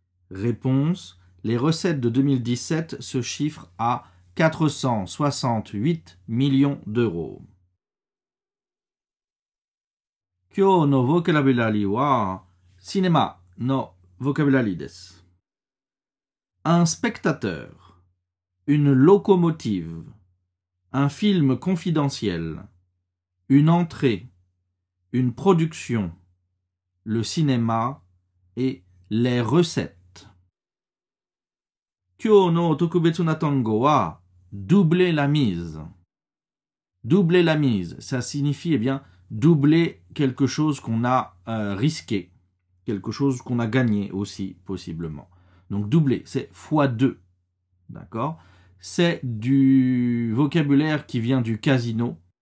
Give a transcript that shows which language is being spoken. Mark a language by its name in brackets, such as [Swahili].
[French] Réponse. Les recettes de 2017 se chiffrent à 468 millions d'euros. [Japanese] 今日のボキャラブラリーは、シネマのボキャブラリーです。 [French] Un spectateur, une locomotive, un film confidentiel, une entrée, une production, le cinéma et les recettes. [Japanese] 今日の特別な単語は、 [French] doubler la mise. Doubler la mise, ça signifie, eh bien,doubler quelque chose qu'on a risqué, quelque chose qu'on a gagné aussi, possiblement. Donc doubler, c'est fois deux, d'accord ? C'est du vocabulaire qui vient du casino.